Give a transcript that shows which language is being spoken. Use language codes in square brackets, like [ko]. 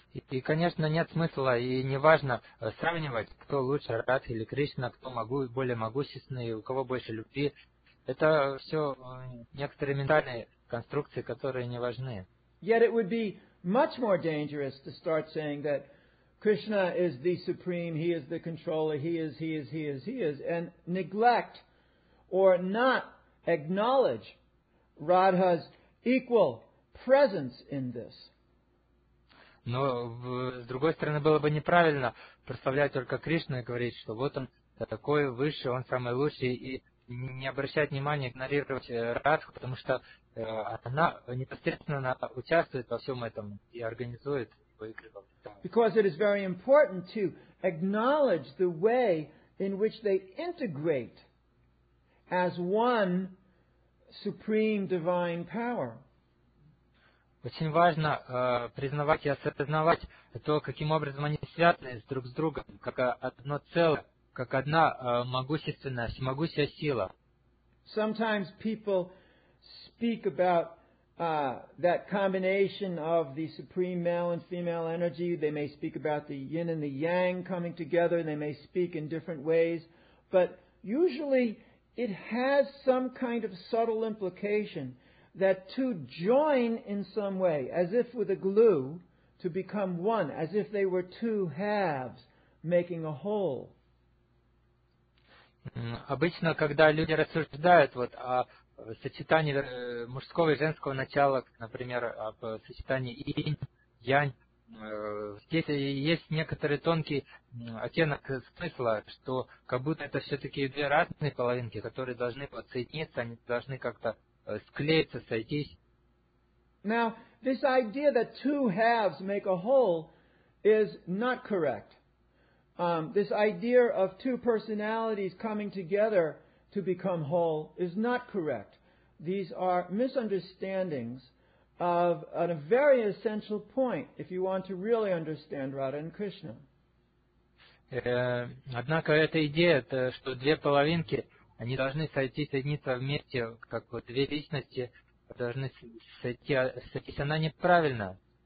[ru] И, конечно, нет смысла, и не важно сравнивать, кто лучше, Радха или Кришна, кто более могущественный, у кого больше любви. Это все некоторые ментальные конструкции, которые не важны. [en] Yet it would be much more dangerous to start saying that Krishna is the supreme, he is the controller, he is, and neglect or not acknowledge Radha's equal presence in this. [ru] Но с другой стороны было бы неправильно представлять только Кришну и говорить, что вот он такой высший, он самый лучший, и не обращать внимания, игнорировать Радху, потому что она непосредственно участвует во всем этом и организует. [en] Because it is very important to acknowledge the way in which they integrate as one supreme divine power. [ru] Очень важно признавать и осознавать то, каким образом они связаны друг с другом, как одно целое, как одна могущественная, всемогущая сила. [en] Sometimes people speak about that combination of the supreme male and female energy. They may speak about the yin and the yang coming together, and they may speak in different ways. But usually it has some kind of subtle implication that to join in some way, as if with a glue, to become one, as if they were two halves making a whole. [ru] Обычно, когда люди рассуждают вот о сочетании мужского и женского начала, например, об сочетании инь, янь, здесь есть некоторый тонкий оттенок смысла, что как будто это все-таки две разные половинки, которые должны подсоединиться, они должны как-то склеиться, сойтись. [en] Now, this idea that two halves make a whole is not correct. This idea of two personalities coming together to become whole is not correct. These are misunderstandings of a very essential point if you want to really understand Radha and Krishna. [ru] Однако эта идея, что две половинки, они должны сойти, соединиться вместе, как вот две личности, должны сойтись, она неправильна.